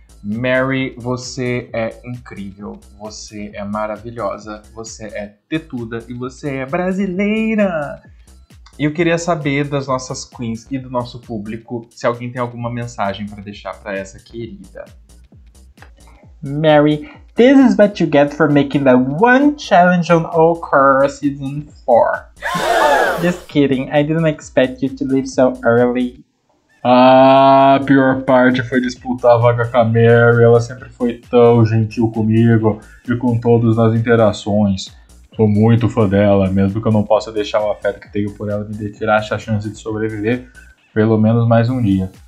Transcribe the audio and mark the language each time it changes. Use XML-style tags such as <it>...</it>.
<pt>Mary, você é incrível, você é maravilhosa, você é tetuda e você é brasileira! E eu queria saber das nossas Queens e do nosso público se alguém tem alguma mensagem para deixar para essa querida.</pt> <en>Mary, this is what you get for making that one challenge on All Car Season 4. Just kidding, I didn't expect you to leave so early.</en> <pt>Ah, a pior parte foi disputar a vaga com a Mary. Ela sempre foi tão gentil comigo e com todos nas interações. Sou muito fã dela, mesmo que eu não possa deixar o afeto que tenho por ela me tirar a chance de sobreviver pelo menos mais um dia.</pt>